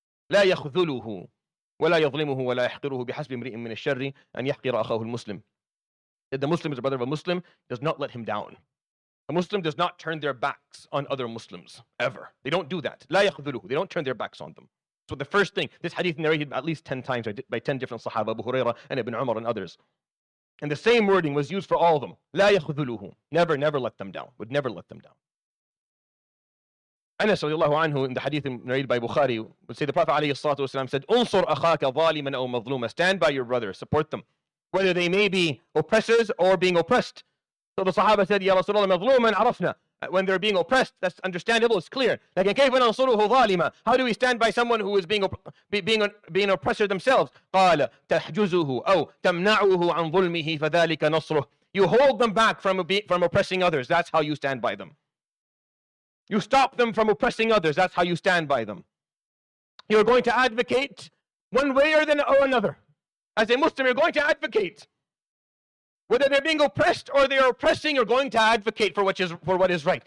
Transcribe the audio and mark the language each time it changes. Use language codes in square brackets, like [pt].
[ar] لا يخذله ولا يظلمه ولا يحقره بحسب امرئ من الشر أن يحقر أخاه المسلم. [en] The Muslim is a brother of a Muslim, does not let him down. A Muslim does not turn their backs on other Muslims, ever. They don't do that. [ar] لا يخذله. [en] They don't turn their backs on them. So the first thing, this hadith narrated at least 10 times by 10 different Sahaba, Abu Huraira and Ibn Umar and others. And the same wording was used for all of them. [ar] لا يخذله. [en] Never, never let them down. Would never let them down. Anas radiallahu anhu, in the hadith narrated by Bukhari, would say the Prophet alayhi salatu wasalam said, [ar] Unsur akhaka zaliman aw mazluma. [en] Stand by your brother, support them. Whether they may be oppressors or being oppressed. So the Sahaba said, Ya Rasulullah, [ar] mazluman arafna. [en] When they're being oppressed, that's understandable, it's clear. Like, [ar] كيف ننصره ظالما? [en] How do we stand by someone who is being an oppressor themselves? [ar] قال تحجزه أو تمنعه عن ظلمه فذلك نصره. [en] You hold them back from oppressing others. That's how you stand by them. You stop them from oppressing others. That's how you stand by them. You're going to advocate one way or another. As a Muslim, you're going to advocate. Whether they're being oppressed or they're oppressing, you're going to advocate for what is right.